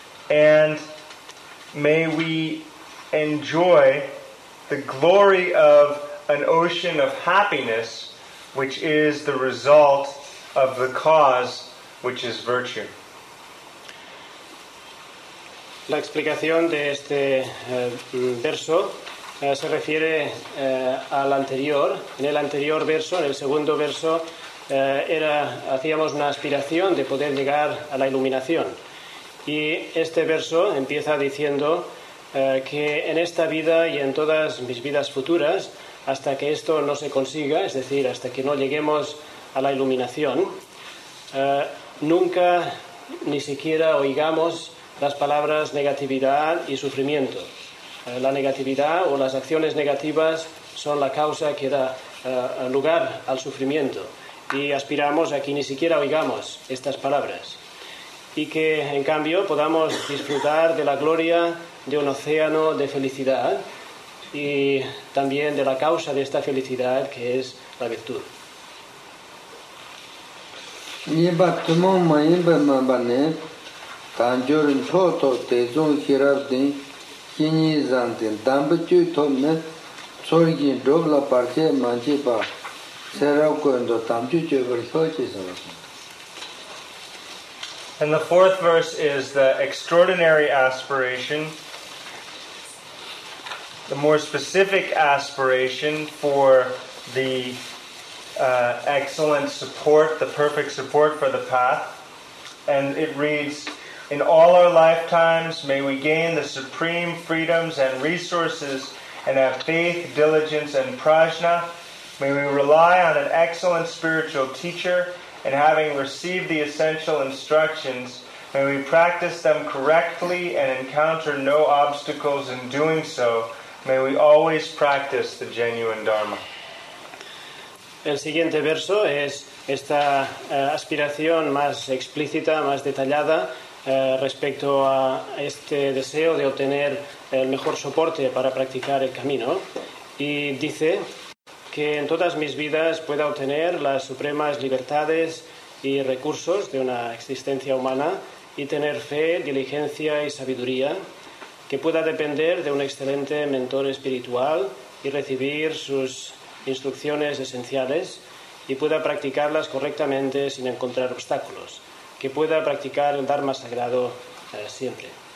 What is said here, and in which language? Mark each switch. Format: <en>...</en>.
<en>And may we enjoy the glory of an ocean of happiness, which is the result of the cause, which is virtue.</en> <es>La explicación de este verso se refiere al anterior. En el anterior verso, en el segundo verso, hacíamos una aspiración de poder llegar a la iluminación. Y este verso empieza diciendo que en esta vida y en todas mis vidas futuras, hasta que esto no se consiga, es decir, hasta que no lleguemos a la iluminación, nunca ni siquiera oigamos las palabras negatividad y sufrimiento. La negatividad o las acciones negativas son la causa que da lugar al sufrimiento, y aspiramos a que ni siquiera oigamos estas palabras. y que en cambio podamos disfrutar de la gloria de un océano de felicidad y también de la causa de esta felicidad, que es la virtud.</es> <en>And the fourth verse is the extraordinary aspiration, the more specific aspiration for the excellent support, the perfect support for the path. And it reads, in all our lifetimes, may we gain the supreme freedoms and resources and have faith, diligence, and prajna. May we rely on an excellent spiritual teacher, and having received the essential instructions, may we practice them correctly and encounter no obstacles in doing so. May we always practice the genuine Dharma.</en> <es>El siguiente verso es esta aspiración más explícita, más detallada, respecto a este deseo de obtener el mejor soporte para practicar el camino. Y dice que en todas mis vidas pueda obtener las supremas libertades y recursos de una existencia humana y tener fe, diligencia y sabiduría, que pueda depender de un excelente mentor espiritual y recibir sus instrucciones esenciales y pueda practicarlas correctamente sin encontrar obstáculos, que pueda practicar el Dharma sagrado siempre.</es>